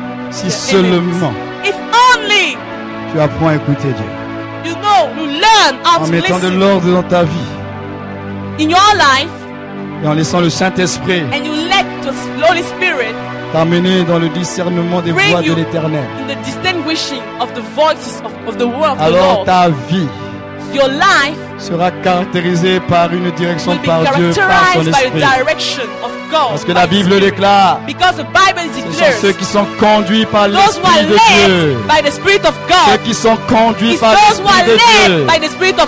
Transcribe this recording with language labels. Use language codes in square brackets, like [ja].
[fr] Si seulement. [en] If only. [fr] Tu apprends à écouter Dieu. [en] You know, you learn how to listen. [fr] En mettant de l'ordre dans ta vie. [en] In your life. [fr] Et en laissant le Saint-Esprit. [en] And you let the Holy Spirit. [fr] T'amener dans le discernement des voix de l'Éternel. [en] In the distinguishing of the voices of the word of the Lord. [fr] Alors ta vie. [en] Your life [fr] sera caractérisée par une direction par Dieu, par son Esprit. Parce que la Bible déclare, ce sont ceux qui sont conduits par l'Esprit de Dieu. Ceux qui sont conduits par l'Esprit de Dieu.